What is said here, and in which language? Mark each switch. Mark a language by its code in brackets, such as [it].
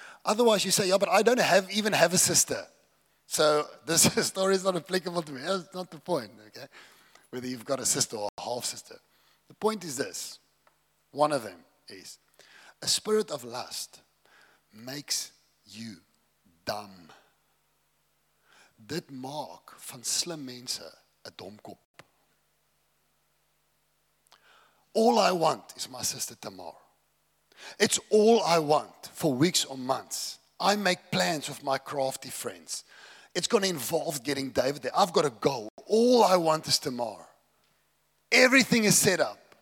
[en] Otherwise, you say, yeah, but I don't even have a sister. So this story is not applicable to me. That's not the point, okay? Whether you've got a sister or a half-sister. The point is this. One of them is, a spirit of lust makes you dumb. [af] Dit maak van slim mense 'n domkop. [en] All I want is my sister Tamar. It's all I want for weeks or months. I make plans with my crafty friends. It's going to involve getting David there. I've got a goal. All I want is Tamar. Everything is set up.